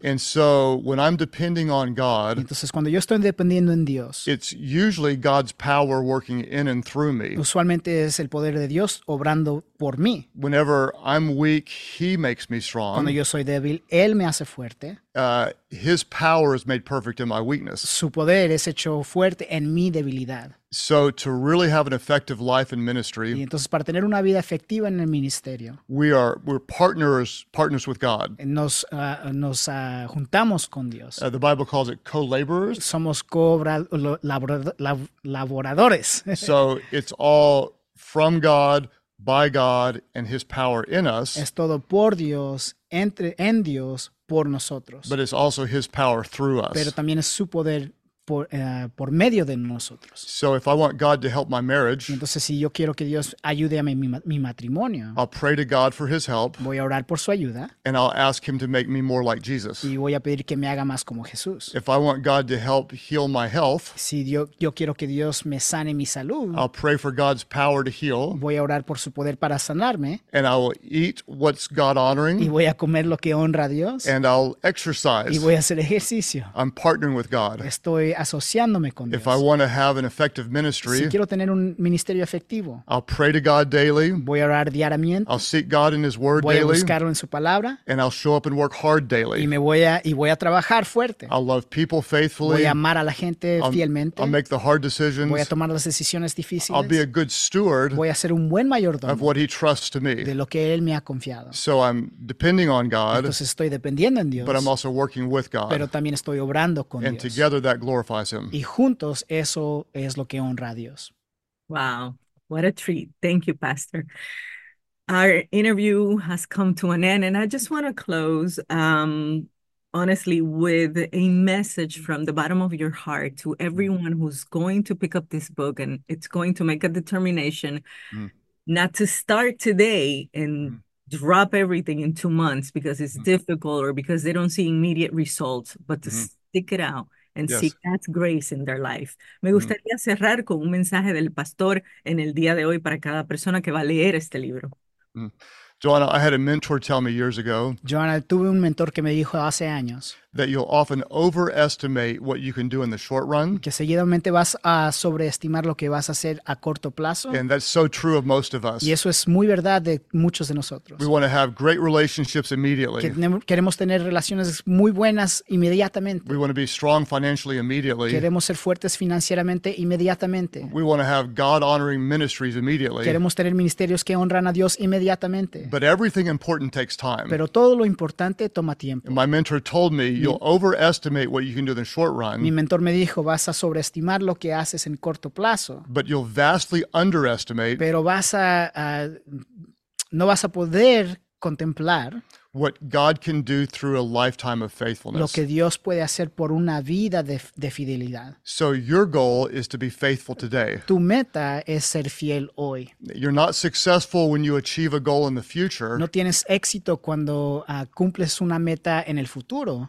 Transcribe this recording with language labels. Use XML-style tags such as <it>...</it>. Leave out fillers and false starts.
<en>And so, when I'm depending on God,</en> <es>entonces cuando yo estoy dependiendo en Dios,</es> <en>it's usually God's power working in and through me.</en> <es>Usualmente es el poder de Dios obrando por mí.</es> <en>Whenever I'm weak, He makes me strong.</en> <es>Cuando yo soy débil, Él me hace fuerte.</es> <en>His power is made perfect in my weakness.</en> <es>Su poder es hecho fuerte en mi debilidad.</es> <en>So to really have an effective life in ministry,</en> <es>y entonces para tener una vida efectiva en el ministerio,</es> <en>we're partners with God.</en> <es>Nos juntamos con Dios.</es> <en>The Bible calls it co-laborers.</en> <es>Somos laboradores.</es> <en>So it's all from God, by God, and His power in us.</en> <es>Es todo por Dios, en Dios, por nosotros.</es> <en>But it's also His power through us.</en> <es>Pero también es su poder por medio de nosotros.</es> <en>So if I want God to help my marriage,</en> <es>entonces si yo quiero que Dios ayude a mi matrimonio,</es> <en>I'll pray to God for His help.</en> <es>Voy a orar por su ayuda.</es> <en>And I'll ask Him to make me more like Jesus.</en> <es>Y voy a pedir que me haga más como Jesús.</es> <en>If I want God to help heal my health,</en> <es>si yo quiero que Dios me sane mi salud,</es> <en>I'll pray for God's power to heal.</en> <es>Voy a orar por su poder para sanarme.</es> <en>And I'll eat what's God honoring.</en> <es>Y voy a comer lo que honra a Dios.</es> <en>And I'll exercise.</en> <es>Y voy a hacer ejercicio.</es> <en>I'm partnering with God.</en> <es>Estoy asociándome con Dios.</es> <en>If I want to have an effective ministry,</en> <es>si quiero tener un ministerio efectivo,</es> <en>I'll pray to God daily,</en> <es>voy a orar diariamente,</es> <en>I'll seek God in His Word</en> <es>voy</es> <en>daily,</en> <es>a buscarlo en su palabra,</es> <en>and I'll show up and work hard daily.</en> <es>Y, voy a trabajar fuerte.</es> <en>I'll love people faithfully,</en> <es>voy a amar a la gente fielmente,</es> <en>I'll make the hard decisions,</en> <es>voy a tomar las decisiones difíciles,</es> <en>I'll be a good steward,</en> <es>voy a ser un buen mayordomo</es> <en>of what He trusts to me,</en> <es>de lo que Él me ha confiado.</es> <en>So I'm depending on God,</en> <es>entonces estoy dependiendo en Dios,</es> <en>but I'm also working with God,</en> <es>pero también estoy obrando con</es> <en>and</en> <es>Dios.</es> <en>Together that glorifies Him.</en> <es>Y juntos eso es lo que honra a Dios.</es> <en>Wow, what a treat. Thank you, Pastor. Our interview has come to an end, and I just want to close, honestly, with a message from the bottom of your heart to everyone who's going to pick up this book, and it's going to make a determination not to start today and drop everything in 2 months because it's difficult or because they don't see immediate results, but to stick it out and seek God's grace in their life.</en> <es>Me gustaría cerrar con un mensaje del pastor en el día de hoy para cada persona que va a leer este libro.</es> <en>Joanna, I had a mentor tell me years ago.</en> <es>Joanna, tuve un mentor que me dijo hace años</es> <en>that you'll often overestimate what you can do in the short run.</en> <es>Que seguidamente vas a sobreestimar lo que vas a hacer a corto plazo.</es> <en>And that's so true of most of us.</en> <es>Y eso es muy verdad de muchos de nosotros.</es> <en>We want to have great relationships immediately.</en> <es>Queremos tener relaciones muy buenas inmediatamente.</es> <en>We want to be strong financially immediately.</en> <es>Queremos ser fuertes financieramente inmediatamente.</es> <en>We want to have God-honoring ministries immediately.</en> <es>Queremos tener ministerios que honran a Dios inmediatamente.</es> <en>But everything important takes time.</en> <es>Pero todo lo importante toma tiempo.</es> <en>My mentor told me, you'll overestimate what you can do in the short run.</en> <es>Mi mentor me dijo, vas a sobreestimar lo que haces en corto plazo.</es> <en>But you'll vastly underestimate.</en> <es>Pero vas a no vas a poder contemplar</es> <en>what God can do through a lifetime of faithfulness.</en> <es>Lo que Dios puede hacer por una vida de fidelidad.</es> <en>So your goal is to be faithful today.</en> <es>Tu meta es ser fiel hoy.</es> <en>You're not successful when you achieve a goal in the future.</en> <es>No tienes éxito cuando cumples una meta en el futuro.</es>